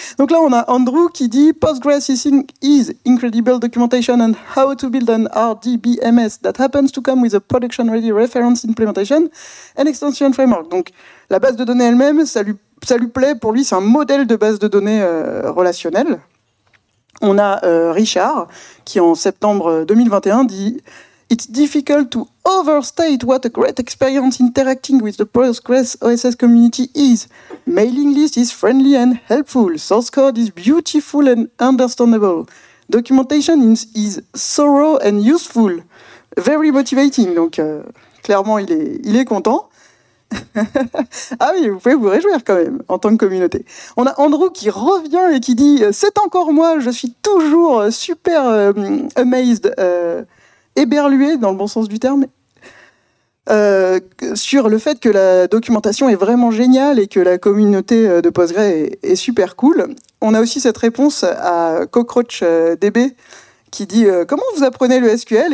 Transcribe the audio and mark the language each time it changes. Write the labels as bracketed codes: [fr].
[fr] Donc là, on a Andrew qui dit « [en] Postgres is incredible documentation and how to build an RDBMS that happens to come with a production-ready reference implementation and extension framework. [fr] » Donc, la base de données elle-même, ça lui plaît. Pour lui, c'est un modèle de base de données relationnelle. On a Richard qui, en septembre 2021, dit « [en] It's difficult to overstate what a great experience interacting with the Postgres OSS community is. Mailing list is friendly and helpful. Source code is beautiful and understandable. Documentation is thorough and useful. Very motivating. [fr] Donc, clairement, il est content. Ah oui, vous pouvez vous réjouir quand même en tant que communauté. On a Andrew qui revient et qui dit « C'est encore moi, je suis toujours super amazed, éberlué dans le bon sens du terme, sur le fait que la documentation est vraiment géniale et que la communauté de Postgres est super cool. » On a aussi cette réponse à CockroachDB qui dit « Comment vous apprenez le SQL ?»